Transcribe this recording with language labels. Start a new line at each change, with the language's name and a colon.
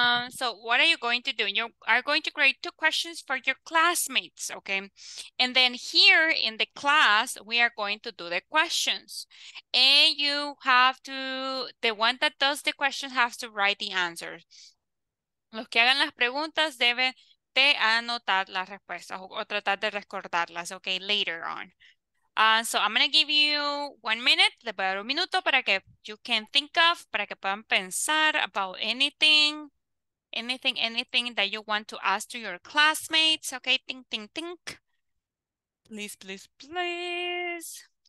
English: So what are you going to do? You are going to create 2 questions for your classmates, okay? And then here in the class, we are going to do the questions. And you have to, the one that does the question has to write the answer.
Spanish: Los que hagan las preguntas deben de anotar las respuestas o tratar de recordarlas, okay,
English: later on. So I'm going to give you 1 minute,
Spanish: le voy a dar un minuto para que
English: you can think of,
Spanish: para que puedan pensar
English: about anything that you want to ask to your classmates, okay, think. Please.